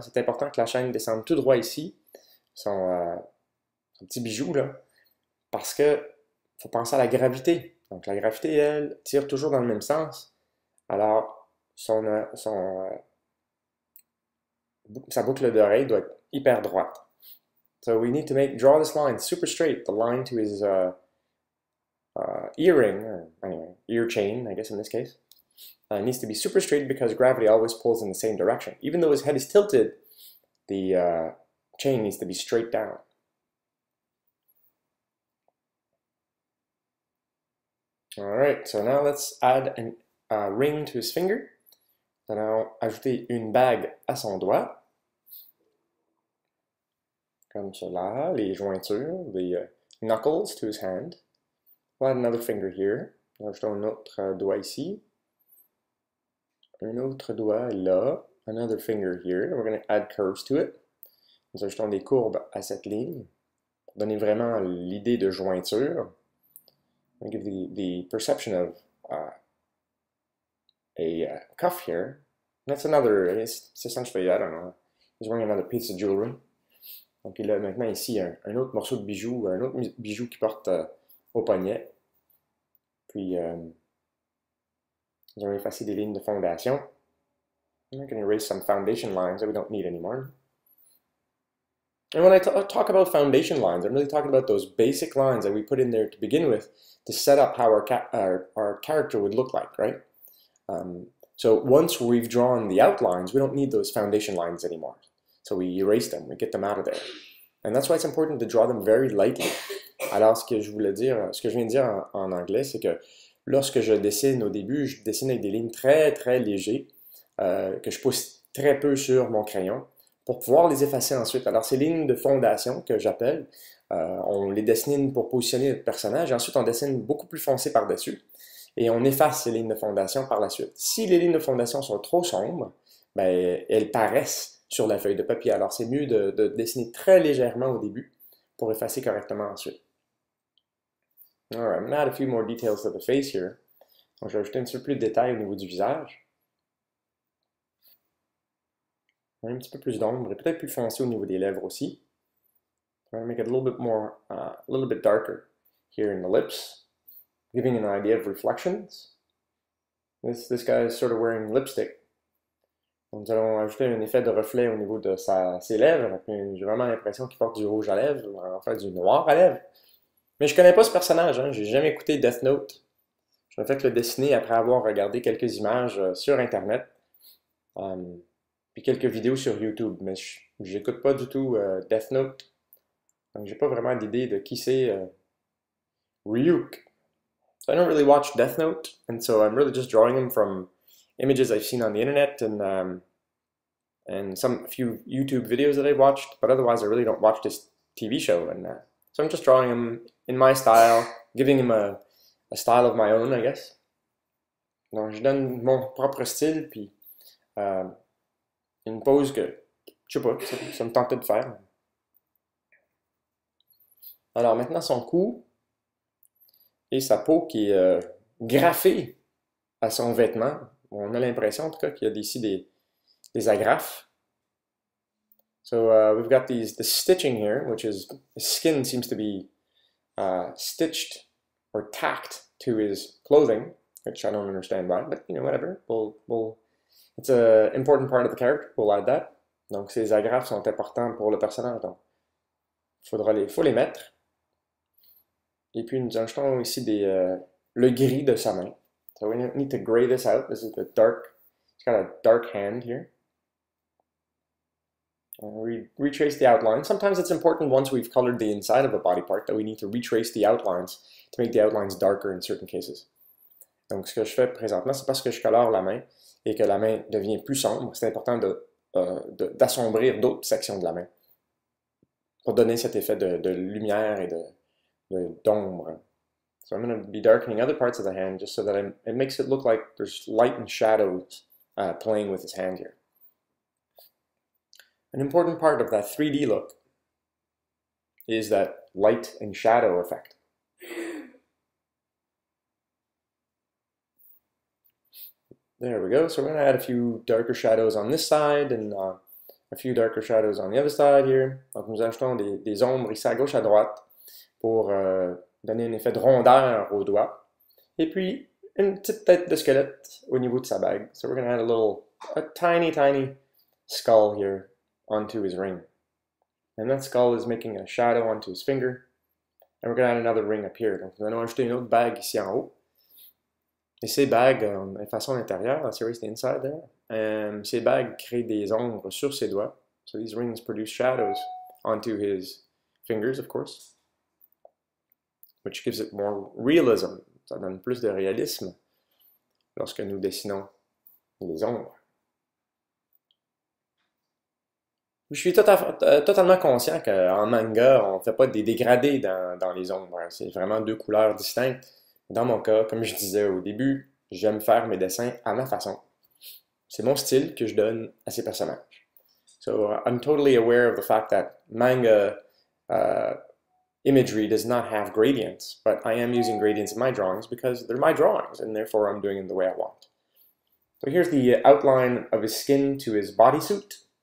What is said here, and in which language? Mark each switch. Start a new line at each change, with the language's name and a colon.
French: C'est important que la chaîne descende tout droit ici. Son petit bijou, là. Parce que faut penser à la gravité. Donc la gravité, elle, tire toujours dans le même sens. Alors, sa boucle d'oreille doit être hyper droite.
English: So we need to draw this line super straight, the line to his earring, or anyway, ear chain, I guess in this case. It needs to be super straight because gravity always pulls in the same direction. Even though his head is tilted, the chain needs to be straight down. All right, so now let's add a ring to his finger. Then I'll
French: ajouter une bague à son doigt. Comme cela, les jointures,
English: the knuckles to his hand. We'll add another finger here.
French: Ajoutons un autre doigt ici. Un autre doigt là.
English: Another finger here. We're going to add curves to it.
French: Nous ajoutons des courbes à cette ligne. Pour donner vraiment l'idée de jointure.
English: We give the perception of a cuff here. That's another, it's essentially, I don't know. He's wearing another piece of jewelry.
French: Donc il a maintenant ici un autre morceau de bijou, un autre bijou qui porte au poignet. Puis, nous allons effacer des lignes de fondation.
English: I'm going to erase some foundation lines that we don't need anymore. And when I talk about foundation lines, I'm really talking about those basic lines that we put in there to begin with to set up how our character would look like, right? So once we've drawn the outlines, we don't need those foundation lines anymore. So we erase them, we get them out of there. And that's why it's important to draw them very lightly.
French: Alors, ce que je viens de dire en anglais, c'est que lorsque je dessine au début, je dessine avec des lignes très, très légères, que je pousse très peu sur mon crayon, pour pouvoir les effacer ensuite. Alors, ces lignes de fondation que j'appelle, on les dessine pour positionner notre personnage, et ensuite on dessine beaucoup plus foncé par-dessus, et on efface ces lignes de fondation par la suite. Si les lignes de fondation sont trop sombres, ben, elles paraissent sur la feuille de papier. Alors, c'est mieux de dessiner très légèrement au début pour effacer correctement ensuite.
English: All right, I'm gonna add a few more details to the face here.
French: Donc, je vais ajouter un petit peu plus de détails au niveau du visage. Un petit peu plus d'ombre et peut-être plus foncé au niveau des lèvres aussi.
English: I'm gonna make it a little bit more, a little bit darker here in the lips, giving an idea of reflections. This guy is sort of wearing lipstick.
French: Donc, nous allons ajouter un effet de reflet au niveau de ses lèvres. J'ai vraiment l'impression qu'il porte du rouge à lèvres, en fait du noir à lèvres. Mais je connais pas ce personnage, hein. J'ai jamais écouté Death Note. Je vais peut-être le dessiner après avoir regardé quelques images sur Internet. Puis quelques vidéos sur YouTube, mais j'écoute pas du tout Death Note. Donc j'ai pas vraiment d'idée de qui c'est Ryuk.
English: So I don't really watch Death Note, and so I'm really just drawing him from images I've seen on the internet and some few YouTube videos that I've watched, but otherwise I really don't watch this TV show. And so I'm just drawing him in my style, giving him a style of my own, I guess.
French: Donc je donne mon propre style, puis une pose que, je sais pas, ça me tentait de faire. Alors maintenant son cou et sa peau qui est graffée à son vêtement. On a l'impression en tout cas qu'il y a ici des agrafes.
English: So we've got the stitching here, which is his skin seems to be stitched or tacked to his clothing, which I don't understand why, but you know, whatever. It's an important part of the character, we'll add that.
French: Donc ces agrafes sont importantes pour le personnage, donc faut les mettre. Et puis nous ajoutons ici le gris de sa main.
English: So we need to gray this out. This is the dark. It's got a dark hand here. And we retrace the outline. Sometimes it's important once we've colored the inside of a body part that we need to retrace the outlines to make the outlines darker in certain cases.
French: Donc ce que je fais présentement, c'est parce que je colore la main et que la main devient plus sombre. C'est important d'assombrir d'autres sections de la main pour donner cet effet de lumière et d'ombre.
English: So I'm going to be darkening other parts of the hand just so that it makes it look like there's light and shadows playing with his hand here. An important part of that 3D look is that light and shadow effect. There we go. So we're going to add a few darker shadows on this side and a few darker shadows on the other side here.
French: Donc nous ajoutons des ombres ici à gauche à droite pour donner un effet de rondeur aux doigts. Et puis, une petite tête de squelette au niveau de sa bague.
English: So we're going to add a tiny skull here onto his ring. And that skull is making a shadow onto his finger. And we're going to add another ring up here.
French: Donc nous allons ajouter une autre bague ici en haut. Et ces bagues, elles façon intérieure, la série
English: inside there,
French: ces bagues créent des ombres sur ses doigts.
English: So these rings produce shadows onto his fingers, of course, which gives it more realism.
French: Ça donne plus de réalisme lorsque nous dessinons les ombres. Je suis totalement conscient qu'en manga, on ne fait pas des dégradés dans les ombres. C'est vraiment deux couleurs distinctes. Dans mon cas, comme je disais au début, j'aime faire mes dessins à ma façon. C'est mon style que je donne à ces personnages.
English: So I'm totally aware of the fact that manga imagery does not have gradients, but I am using gradients in my drawings because they're my drawings, and therefore I'm doing it the way I want. So here's the outline of his skin to his bodysuit.